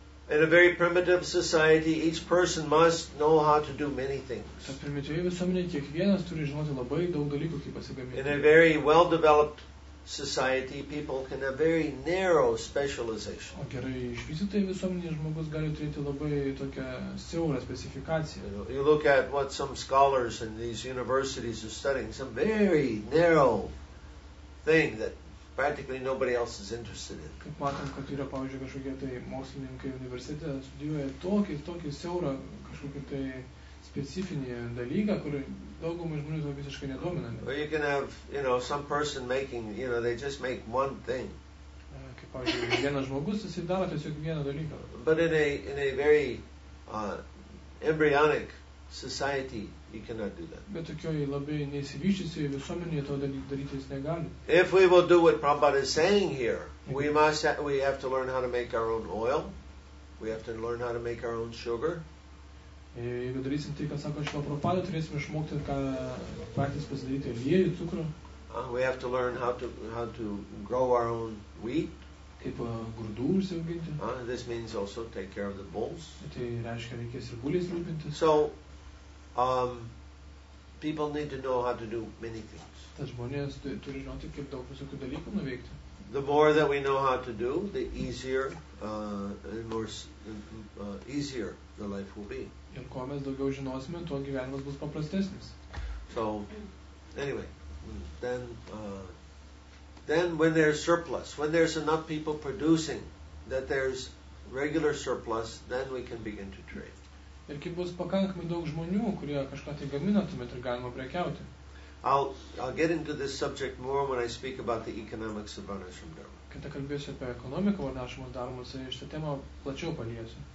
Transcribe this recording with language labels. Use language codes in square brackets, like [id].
[en] In a very primitive society, each person must know how to do many things. In a very well-developed society, people can have very narrow specialization. You look at what some scholars in these universities are studying, some very narrow thing that practically nobody else is interested in. [lt] Kaip matom, kad yra, pavyzdžiui, kažkokie tai mokslininkai universitete studijuoja tokį siaurą, kažkokį tai specifinį dalyką, kurį daugumai žmonių to visiškai nedomina. [en] Or you can have, you know, some person making, you know, they just make one thing. [lt] Kaip, pavyzdžiui, vienas žmogus, jis daro tiesiog vieną dalyką. [en] But in a very embryonic society, you cannot do that. [lt] Bet tokioj labai neįsivyščiusioj visuomenėje to daryti jis negali. [en] If we will do what Prabhupada is saying here, we have to learn how to make our own oil, we have to learn how to make our own sugar. [lt] Jeigu darysim tai, ką sako šio Prabhupada, turėsim išmokti, ką patys pasidaryti, aliejų, cukrų. [en] We have to learn how to grow our own wheat. [lt] Kaip grūdų užsiauginti. [en] This means also take care of the bulls. [lt] Tai reiškia, reikės ir bulės rūpinti. [en] So, people need to know how to do many things. The more that we know how to do, the easier the life will be. So, Anyway, then when there's surplus, when there's enough people producing that there's regular surplus, then we can begin to trade. [lt] Ir kai bus pakankamai daug žmonių, kurie kažką tai gamina, tuomet ir galima prekiauti. [en] I'll get into this subject more when I speak about the economics of Varnashram Dharma. [lt] Kai tik kalbėsiu apie ekonomiką Varnashram Dharma, tai šitą temą plačiau paliesiu.